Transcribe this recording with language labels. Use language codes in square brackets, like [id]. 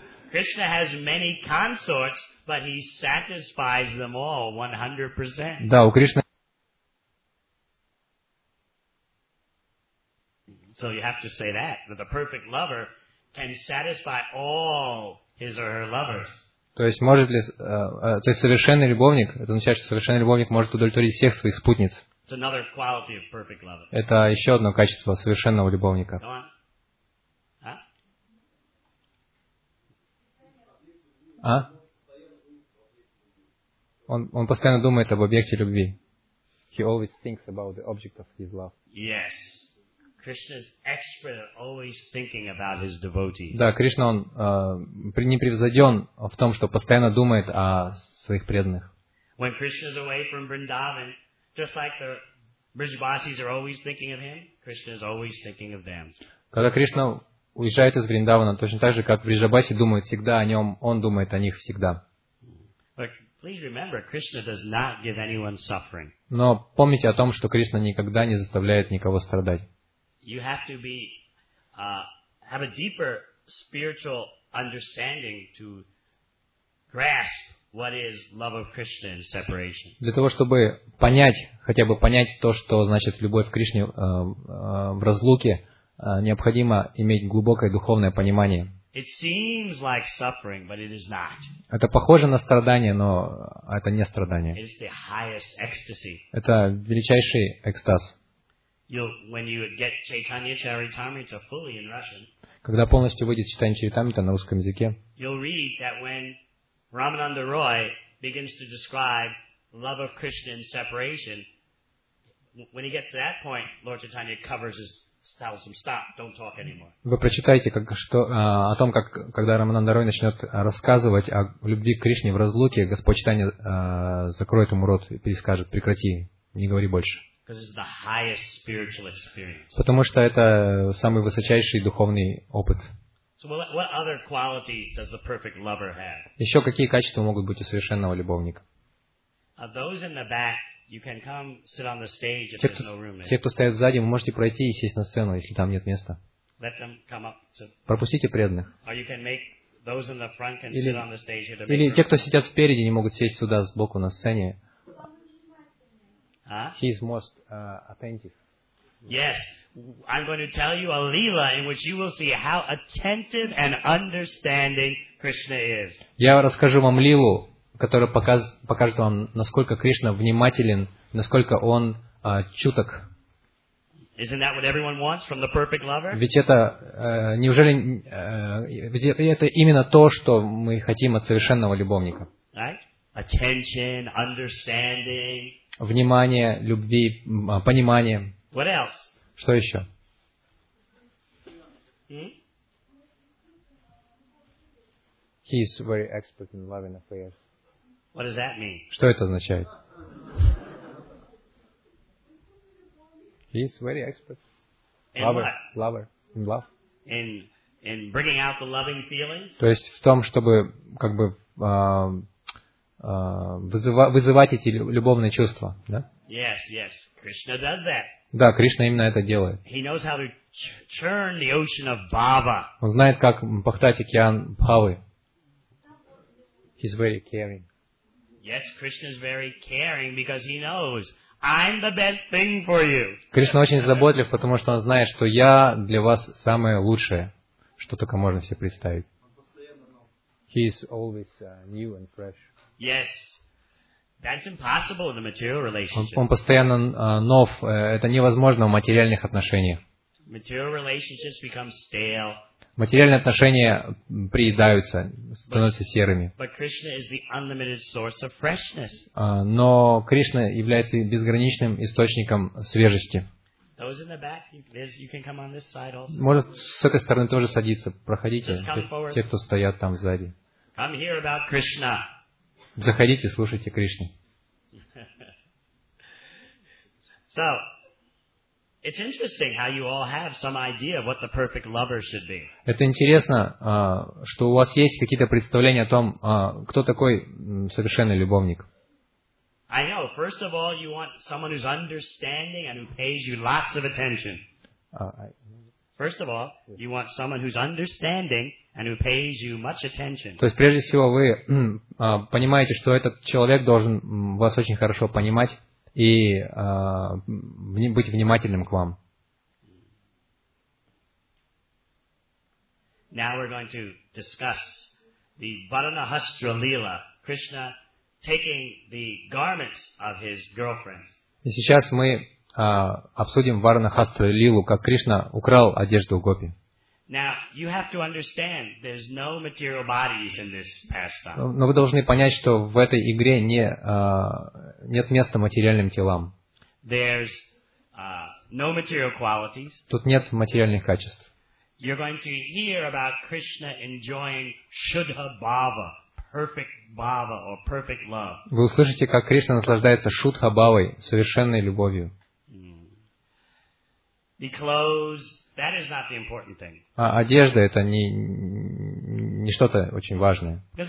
[en] Krishna has many consorts, but he satisfies them all 100%. [ru] Да, у Кришны... [en] So you have to say that, that the perfect lover... Can satisfy all his or her lovers. [ru] То есть может ли, то есть совершенный любовник, это означает, что совершенный любовник может удовлетворить всех своих спутниц. [en] It's another quality of perfect lover. [ru] Это еще одно качество совершенного любовника. [en] Go on. Huh? А? [ru] Он постоянно думает об объекте любви. [en] He always thinks about the object of his love. Yes. Krishna is expert at always thinking about his devotees. [ru] Да, Кришна он непревзойден в том, что постоянно думает о своих преданных. [en] When Krishna is away from Vrindavan, just like the Brijvasis are always thinking of him, Krishna is always thinking of them. [ru] Когда Кришна уезжает из Вриндавана, точно так же, как Брижабаси думают всегда о нем, он думает о них всегда. [en] But please remember, Krishna does not give anyone suffering. [ru] Но помните о том, что Кришна никогда не заставляет никого страдать. [en] You have to be have a deeper spiritual understanding to grasp what is love of Krishna and separation. [ru] Для того, чтобы понять, хотя бы понять то, что значит любовь к Кришне в разлуке, необходимо иметь глубокое духовное понимание. [en] It seems like suffering, but it is not. [ru] Это похоже на страдание, но это не страдание. [en] It's the highest ecstasy. [ru] Это величайший экстаз. [en] When you get Chaitanya Charitamrita fully in Russian, [ru] когда полностью выйдет Чайтанья Чаритамрита на русском языке, [en] you'll read that when Ramananda Roy begins to describe love of Krishna and separation, when he gets to that point, Lord Chaitanya covers his, tells him, stop, don't talk anymore. [ru] Вы прочитаете как, что, о том, как, когда Рамананда Рой начнет рассказывать о любви к Кришне в разлуке, Господь Чайтанья закроет ему рот и перескажет, прекрати, не говори больше. [en] Because it's the highest spiritual experience. [ru] Потому что это самый высочайший духовный опыт. [en] So what other qualities does the perfect lover have? [ru] Еще какие качества могут быть у совершенного любовника? [en] Those in the back, you can come sit on the stage if there's no room. [ru] Те, кто стоят сзади, вы можете пройти и сесть на сцену, если там нет места. [en] Let them come up to... [ru] Пропустите преданных. [en] Or you can make those in the front can [ru] или... [en] sit on the stage. [ru] Или те, кто сидят спереди, не могут сесть сюда сбоку на сцене. Huh? [en] He's most attentive. Yes, I'm going to tell you a lila in which you will see how attentive and understanding Krishna is. [ru] Я расскажу вам лилу, которая покажет вам, насколько Кришна внимателен, насколько он чуток. [en] Isn't that what everyone wants from the perfect lover? [ru] Ведь это неужели это именно то, что мы хотим от совершенного любовника? [en] Right? Attention, understanding. [ru] Внимание, любви, понимание. [en] What else? [ru] Что еще? [en] He's very expert in loving affairs. What does that mean? [ru] Что это означает? [en] He's very expert. In lover, what? Lover, in love. In bringing out the loving feelings. [ru] То есть в том, чтобы как бы вызывать эти любовные чувства, да? [en] Yes, yes. Krishna does that. [ru] Да, Кришна именно это делает. [en] He knows how to churn the ocean of bhava. [ru] Он знает, как пахтать океан бхавы. [en] He's very caring. Yes, Krishna is very caring because he knows I'm the best thing for you. [ru] Кришна очень заботлив, потому что он знает, что я для вас самое лучшее, что только можно себе представить. [en] He is always new and fresh. Yes. That's impossible in the material relationship. [ru] Он постоянно нов, это невозможно в материальных отношениях. [en] Material relationships become stale. [ru] Материальные отношения приедаются, становятся серыми. [en] But Krishna is the unlimited source of freshness. [ru] Но Кришна является безграничным источником свежести. [en] Those in the back, you can come on this side also. [ru] Может, с этой стороны тоже садиться, проходите, те, кто стоят там сзади. [en] Come hear about Krishna. [ru] Заходите, слушайте Кришну. [en] So, it's interesting how you all have some idea of what the perfect lover should be. [ru] Это интересно, что у вас есть какие-то представления о том, кто такой совершенный любовник. [en] I know. First of all, you want someone who's understanding and who pays you lots of attention. First of all, you want someone who's understanding and who pays you much attention. [ru] То есть прежде всего вы понимаете, что этот человек должен вас очень хорошо понимать. И быть внимательным к вам. [en] Now we're going to discuss the Varanahastra Lila, Krishna taking the garments of his girlfriend. [ru] И сейчас мы обсудим Варанахастра Лилу, как Кришна украл одежду у Гопи. [en] Now you have to understand there's no material bodies in this pastime. [ru] Но вы должны понять, что в этой игре нет места материальным телам. [en] There's no material qualities. [ru] Тут нет материальных качеств. [en] You're going to hear about Krishna enjoying Shuddha Bhava, perfect bhava or perfect love. [ru] Вы услышите, как Кришна наслаждается Шудха Бхавой, совершенной любовью. [en] The clothes, that is not the important thing. [ru] А одежда это не что-то очень важное.